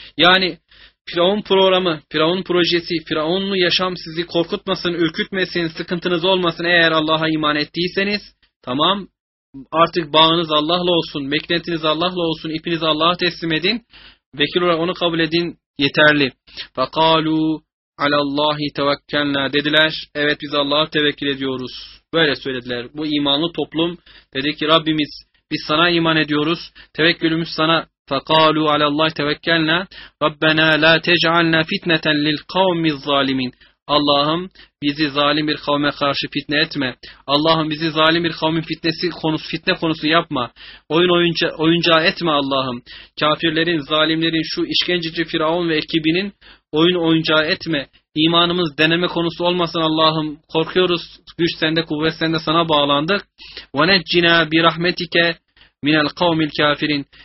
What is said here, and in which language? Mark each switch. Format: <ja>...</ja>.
<tr>Yani Firavun programı, Firavun projesi, Firavunlu yaşam sizi korkutmasın, ürkütmesin, sıkıntınız olmasın eğer Allah'a iman ettiyseniz, tamam, artık bağınız Allah'la olsun, meknetiniz Allah'la olsun, ipinizi Allah'a teslim edin, vekil olarak onu kabul edin, yeterli.</tr> <ar>Fakalu alallahi tevekkelna,</ar> <tr>dediler, evet biz Allah'a tevekkül ediyoruz. Böyle söylediler. Bu imanlı toplum dedi ki, Rabbimiz biz sana iman ediyoruz, tevekkülümüz sana.</tr> <ar>فَقَالُوا عَلَى اللّٰهِ تَوَكَّلْنَا رَبَّنَا لَا تَجْعَلْنَا فِتْنَةً لِلْقَوْمِ الظَّالِمِينَ</ar> <tr>Allah'ım bizi zalim bir kavme karşı fitne etme. Allah'ım bizi zalim bir kavmin fitne konusu yapma. Oyuncağı etme Allah'ım. Kafirlerin, zalimlerin, şu işkenceci Firavun ve ekibinin oyuncağı etme. İmanımız deneme konusu olmasın Allah'ım. Korkuyoruz. Güç sende, kuvvet sende, sana bağlandık.</tr> <ar>وَنَجِّنَا بِرَحْمَتِكَ مِنَ الْقَوْمِ الْكَافِرِينَ</ar>